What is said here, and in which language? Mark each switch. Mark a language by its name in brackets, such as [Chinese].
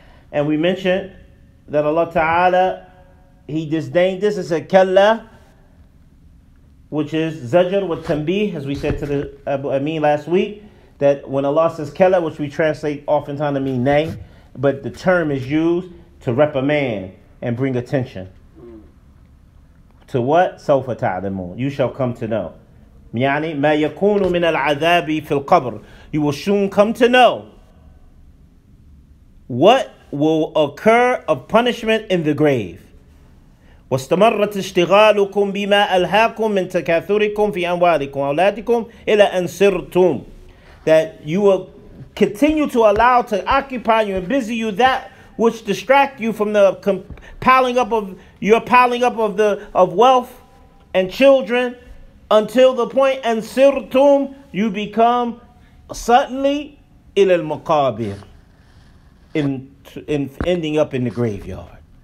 [English] And we mentioned that Allah Ta'ala, He disdained this and said, Kalla, which is zajr with tanbih, as we said to the Abu Amin last week, that when Allah says Kalla, which we translate oftentimes to mean nay, but the term is used to reprimand and bring attention. To what? Sawfa ta'lamun. You shall come to know. [Arabic] يعني ما يكون من العذاب في القبر. [English] You will soon come to know what will occur of punishment in the grave. [Arabic] واستمرت اشتغالكم بما ألهاكم من تكاثركم في أموالكم وأولادكم إلى أن سرتم. [English] That you will continue to allow to occupy you and busy you that which distract you from the piling up of your piling up of the of wealth and children until the point and sirtum you become suddenly ila al-maqabir in ending up in the graveyard.